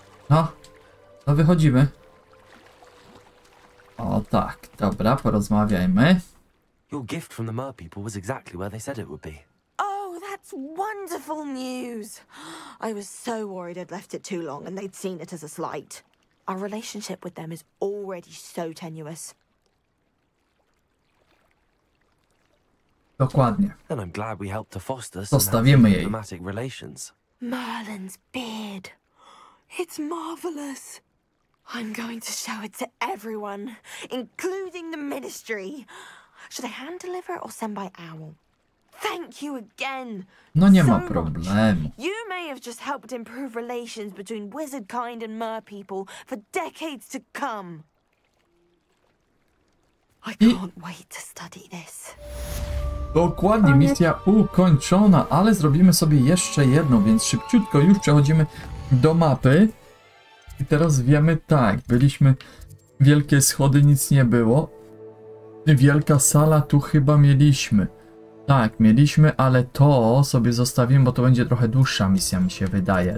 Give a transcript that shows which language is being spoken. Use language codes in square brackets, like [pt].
[pl] No, to wychodzimy. O tak, dobra, porozmawiajmy. [en] Your gift from the Maa people was exactly where they said it would be. Oh, that's wonderful news. I was so worried I'd left it too long and they'd seen it as a slight. Our relationship with them is already so tenuous. [pl] Dokładnie. [en] And I'm glad we helped to foster some diplomatic relations. Merlin's beard. It's marvelous. I'm going to show it to everyone, including the ministry. Should I hand deliver it or send by owl? Thank you again. [pl] No nie ma problemu. [en] You may have just helped improve relations between wizardkind and Maa people for decades to come. I can't wait to study this. [pl] Dokładnie, misja ukończona, ale zrobimy sobie jeszcze jedną, więc szybciutko już przechodzimy do mapy. I teraz wiemy tak, byliśmy wielkie schody, nic nie było. Wielka sala tu chyba mieliśmy. Tak, mieliśmy, ale to sobie zostawimy, bo to będzie trochę dłuższa misja, mi się wydaje.